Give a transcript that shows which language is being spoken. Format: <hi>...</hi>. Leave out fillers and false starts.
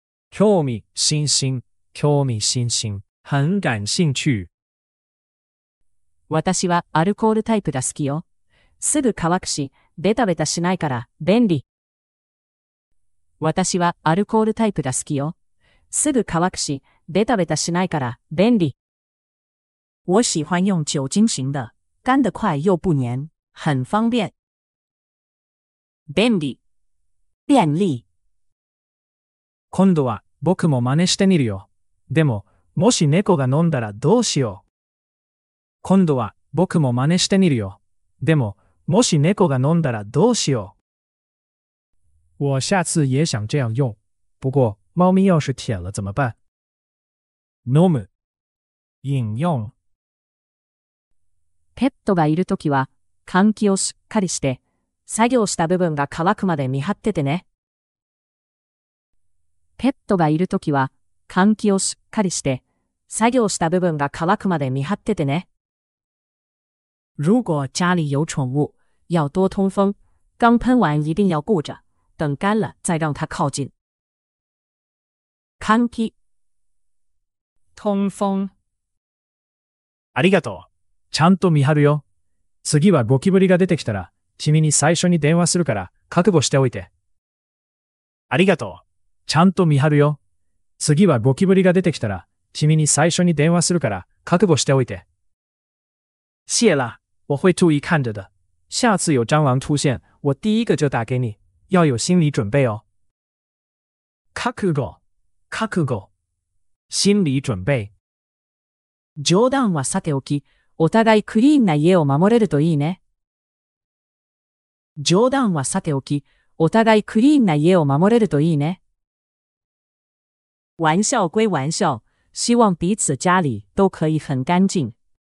<ja>興味津々、興味津々、</ja> <zh>很感兴趣。</zh> <ja>私はアルコールタイプが好きよ。すぐ乾くし、ベタベタしないから便利。私はアルコールタイプが好きよ。すぐ乾くし、ベタベタしないから便利。</ja> <zh>我喜欢用酒精型的，干得快又不粘，很方便。</zh> <ja>便利、便利。今度は僕も真似してみるよ。でも、もし猫が飲んだらどうしよう。今度は僕も真似してみるよ。でも、もし猫が飲んだらどうしよう。</ja> <zh>我下次也想这样用，不过。猫咪要是舔了怎么办？</zh> <ja>飲む、</ja> <zh>飲用。</zh> <ja>ペットがいるときは、換気をしっかりして、作業した部分が乾くまで見張っててね。ペットがいるときは、換気をしっかりして、作業した部分が乾くまで見張っててね。</ja> <zh>如果家里有宠物，要多通风，刚喷完一定要顾着，等干了再让它靠近。</zh> <ja>換気、</ja> <zh>通風。</zh> <ja>ありがとう。ちゃんと見張るよ。次はゴキブリが出てきたら、君に最初に電話するから、覚悟しておいて。ありがとう。ちゃんと見張るよ。次はゴキブリが出てきたら、君に最初に電話するから、覚悟しておいて。</ja> <zh>谢了、我会注意看着的。下次有蟑螂出现、我第一个就打给你。要有心理准备哦。</zh> <ja>覚悟。覚悟、</ja> <zh>心理準備。</zh> <ja>冗談はさておき、お互いクリーンな家を守れるといいね。冗談はさておき、お互いクリーンな家を守れるといいね。</ja> <zh>玩笑归玩笑、希望彼此家里都可以很干净。</zh>